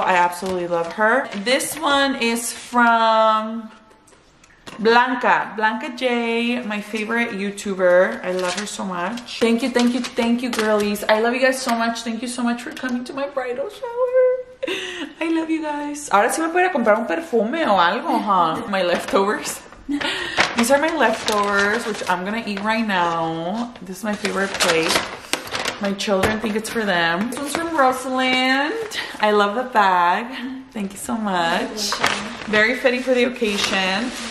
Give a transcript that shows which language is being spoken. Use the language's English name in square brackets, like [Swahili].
[English] I absolutely love her. This one is from Blanca J, my favorite YouTuber. I love her so much. Thank you, girlies. I love you guys so much. Thank you so much for coming to my bridal shower. I love you guys. [Spanish] Ahora sí me voy a comprar un perfume o algo, huh? [English] My leftovers. These are my leftovers, which I'm gonna eat right now. This is my favorite plate. My children think it's for them. This one's from Rosalind. I love the bag. Thank you so much. Very fitting for the occasion.